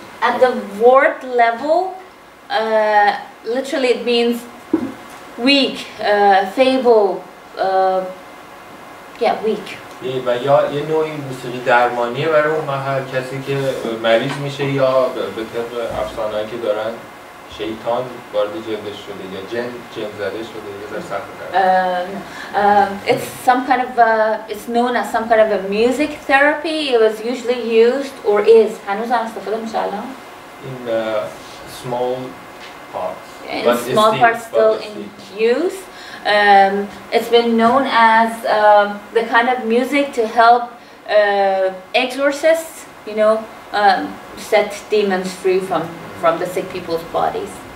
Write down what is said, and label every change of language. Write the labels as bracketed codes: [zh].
[en] At the word level, literally it means weak, fable. Yeah, [fa] و یا یه نوعی موسیقی درمانیه برای اون محل کسی که مریض میشه یا به طبق افسانه‌ای که دارن شیطان وارد جلدش شده یا جن زده شده یا در سخت کرده. [en] It's known as some kind of a music therapy. It was usually used or is [fa] هنوز هم استفاده میشه الان. [en] In small parts. In small parts still in use. It's been known as the kind of music to help exorcists, you know, set demons free from the sick people's bodies.